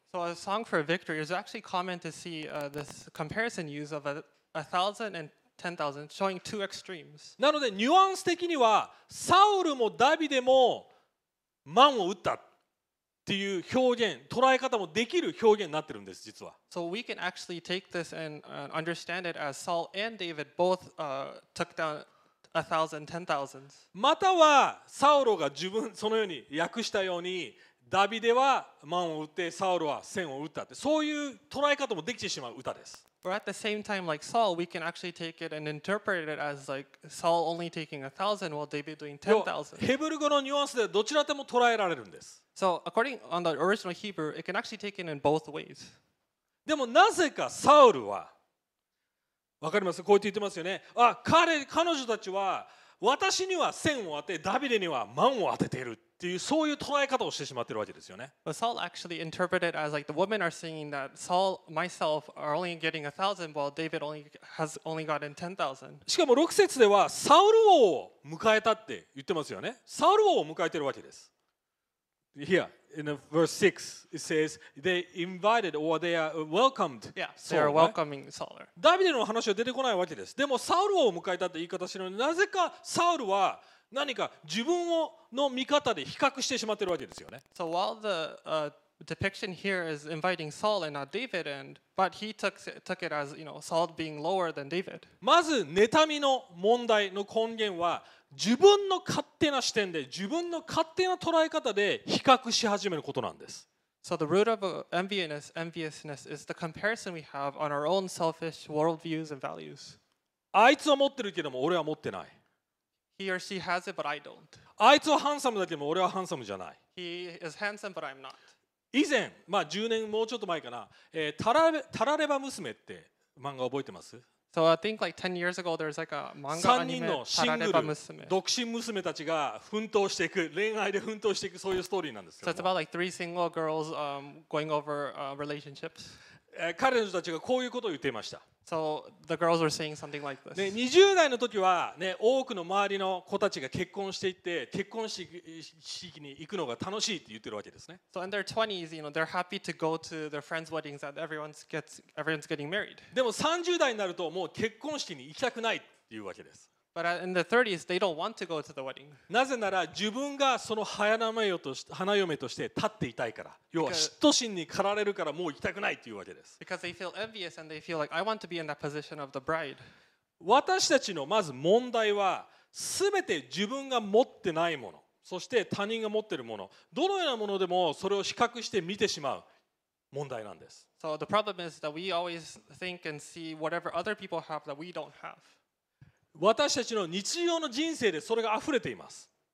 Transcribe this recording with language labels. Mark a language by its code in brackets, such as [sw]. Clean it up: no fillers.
[en] So a song for victory is actually common to see this comparison use of a thousand and ten thousand, showing two extremes. [ja] なのでニュアンス的にはサウルもダビデも万を打った。っていう表現、捉え方もできる表現になってるんです、実は。 [en] So we can actually take this and understand it as Saul and David both took down a thousand, ten thousands. [ja] またはサウロが自分そのように訳したように、ダビデは万を打って、サウロは千を打ったって、そういう捉え方もできてしまう歌です。 [en] But at the same time, like Saul, we can actually take it and interpret it as like Saul only taking a thousand while David doing 10,000. [ja] ヘブル語のニュアンスでどちらでも捉えられるんです。 [en] So according on the original Hebrew, it can actually take it in both ways. [ja] でもなぜかサウルは、わかります？こうやって言ってますよね。あ、彼女たちは私には千を当て、ダビデには万を当てている。っていうそういう捉え方をしてしまっているわけですよね。 [en] But Saul actually interpreted as like the women are singing that Saul myself are only getting a thousand while David only has only gotten 10,000. [ja] しかも6節ではサウル王を迎えたって言ってますよね。サウル王を迎えているわけです。 [en] Here in verse 6 it says they invited or they are welcomed. Yeah, they are welcoming Saul. [ja] ダビデの話は出てこないわけです。でもサウル王を迎えたって言い方するのになぜかサウルは何か自分をの見方で比較してしまっているわけですよね。 [en] So while the depiction here is inviting Saul and not David, and but he took it as you know Saul being lower than David. [ja] まず妬みの問題の根源は自分の勝手な視点で自分の勝手な捉え方で比較し始めることなんです。 [en] So the root of enviousness is the comparison we have on our own selfish worldviews and values. [ja] あいつは持ってるけども俺は持ってない。 [en] He or she has it, but I don't. [ja] あいつはハンサムだけど俺はハンサムじゃない。 [en] He is handsome, but I'm not. [ja] 以前、まあ10年もうちょっと前かな、タラレバ娘って漫画覚えてます？ [en] So I think like 10 years ago, there's like a manga anime. 3 [ja] 人のシングル、独身娘たちが奮闘していく、恋愛で奮闘していくそういうストーリーなんですけ [en] ど。So it's about like three single girls going over relationships. [ja] 彼女たちがこういうことを言っていました。 [en] So the girls were saying something like this. [ja] ね、20代の時はね、多くの周りの子たちが結婚していって、結婚式に行くのが楽しいって言ってるわけですね。 [en] So in their 20s, you know, they're happy to go to their friends' weddings and everyone's getting married. [ja] でも30代になるともう結婚式に行きたくないっていうわけです。 [en] But in their 30s, they don't want to go to the wedding. [ja] なぜなら自分がその花嫁として立っていたいから。要は嫉妬心に駆られるからもう行きたくないというわけです。 [en] Because they feel envious and they feel like I want to be in that position of the bride. [ja] 私たちのまず問題は、すべて自分が持ってないもの、そして他人が持っているもの、どのようなものでもそれを比較して見てしまう問題なんです。 [en] So the problem is that we always think and see whatever other people have that we don't have. [ja] 私たちの日常の人生でそれが溢れています。